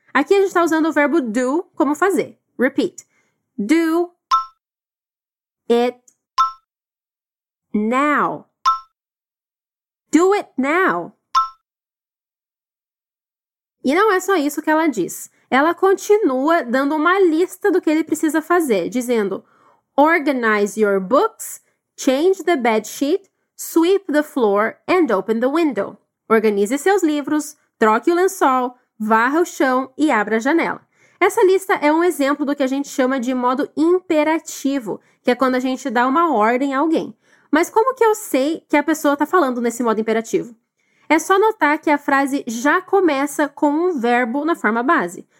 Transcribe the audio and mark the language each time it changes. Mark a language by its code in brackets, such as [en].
[pt] Aqui a gente está usando o verbo do como fazer. Repeat. [en] Do it now. Do it now. [pt] E não é só isso que ela diz. Ela continua dando uma lista do que ele precisa fazer, dizendo... [en] Organize your books, change the bed sheet, sweep the floor and open the window. [pt] Organize seus livros, troque o lençol, varra o chão e abra a janela. Essa lista é um exemplo do que a gente chama de modo imperativo, que é quando a gente dá uma ordem a alguém. Mas como que eu sei que a pessoa está falando nesse modo imperativo? É só notar que a frase já começa com um verbo na forma base.